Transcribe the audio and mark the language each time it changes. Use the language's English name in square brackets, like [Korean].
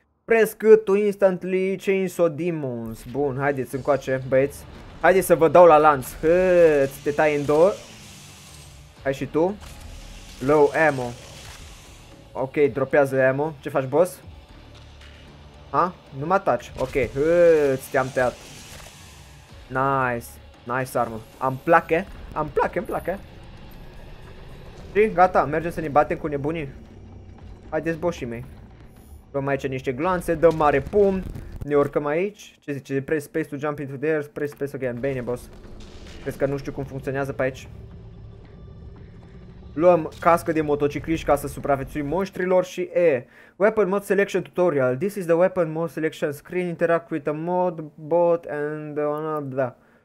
[English] Press to instantly chainsaw demons. [Romanian] Bun, haideți încoace, băieți. Haideți să vă dau la lanț. Îți te tai în două. Hai și tu. [English] Low ammo. [Romanian] Ok, dropează ammo. Ce faci, boss? Nu mă ataci. Ok, ți-am tăiat. Nice. Nice armă. Am plache. Am plache, îmi plache. Și gata, mergem să ne batem cu nebunii. Haideți, boșii mei. Luăm aici niște gloanțe, dăm mare pum. Ne urcăm aici. Ce zice? [English] Press space to jump into the air. Press space again. [Romanian] Bine, boss. Crezi că nu știu cum funcționează pe aici. Luăm cască de motocicliști ca să supraviețuim monștrilor și e. [English] Weapon mode selection tutorial. This is the weapon mode selection screen. Interact with the mod, bot and another.